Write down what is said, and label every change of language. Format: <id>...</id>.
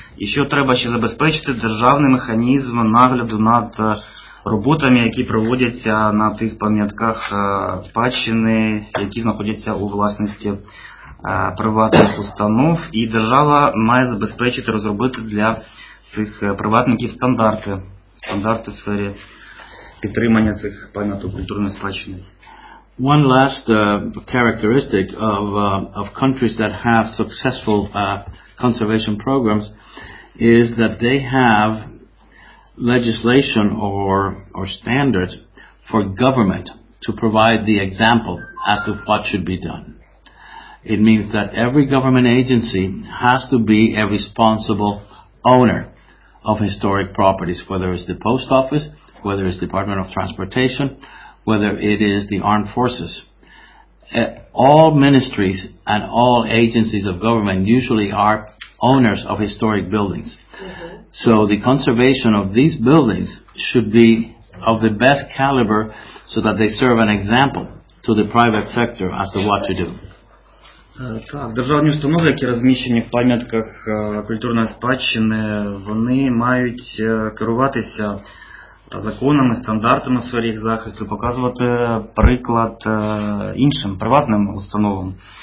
<uk>І що треба ще забезпечити? Державний механізм нагляду над роботами, які проводяться на тих пам'ятках спадщини, які знаходяться у власності приватних установ. І держава має забезпечити, розробити для цих приватників стандарти в сфері підтримання цих пам'яток культурної спадщини.</uk> <en>One last characteristic of countries that have successful conservation programs is that they have legislation or standards for government to provide the example as to what should be done. It means that every government agency has to be a responsible owner of historic properties, whether it's the post office, whether it's the Department of Transportation, whether it is the armed forces. All ministries and all agencies of government usually are owners of historic buildings. Mm-hmm. So the conservation of these buildings should be of the best caliber so that they serve an example to the private sector as to what to do.</en> <uk>Так, державні установи, які розміщені в пам'ятках культурної спадщини, вони мають керуватися законами, стандартами в сфері їх захисту, показувати приклад іншим приватним установам.</uk>